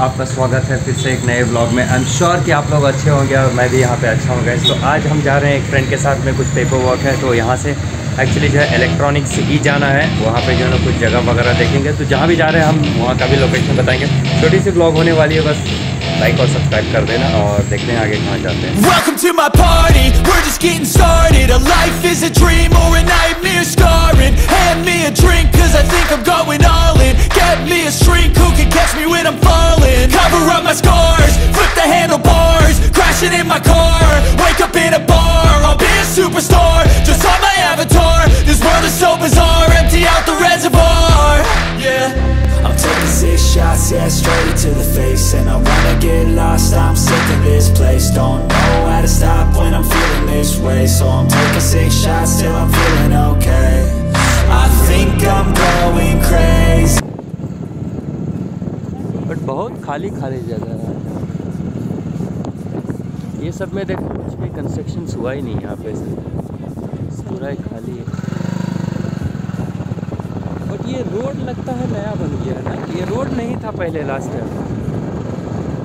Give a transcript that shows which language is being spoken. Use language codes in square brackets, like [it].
[hi] आपका स्वागत है फिर से एक नए व्लॉग में। [en] I am sure [hi] कि आप लोग अच्छे होंगे और मैं भी यहाँ पे अच्छा हूँ गाइस। तो आज हम जा रहे हैं एक फ्रेंड के साथ में, कुछ पेपर वर्क है। तो यहाँ से एक्चुअली जो है इलेक्ट्रॉनिक्स ही जाना है, वहाँ पे जो है कुछ जगह वगैरह देखेंगे। तो जहाँ भी जा रहे हैं हम वहाँ का भी लोकेशन बताएंगे। छोटी सी व्लॉग होने वाली है, बस लाइक और सब्सक्राइब कर देना और देखते हैं आगे कहाँ जाते हैं। [en] Welcome to my party, we're just getting started. A life is a dream or a nightmare scarring. Hand me a drink cause I think I'm going all in. Get me a shrink who can catch me when I'm falling. Cover up my scars, flip the handlebars. Crashing in my car, wake up in a bar. I'll be a superstar, just on my avatar. This world is so bizarre, empty out the reservoir. Yeah. Shots, yeah, straight to the face. And I wanna get lost, I'm sick of this place. Don't know how to stop when I'm feeling this way. So I'm taking 6 shots till I'm feeling okay. I think I'm going crazy. [hi] But बहुत खाली खाली जगह है ये सब में। देखो कुछ भी कंस्ट्रक्शन हुआ ही नहीं यहाँ पे, पूरा ही खाली है। ये रोड लगता है नया बन गया है ना, ये रोड नहीं था पहले लास्ट टाइम।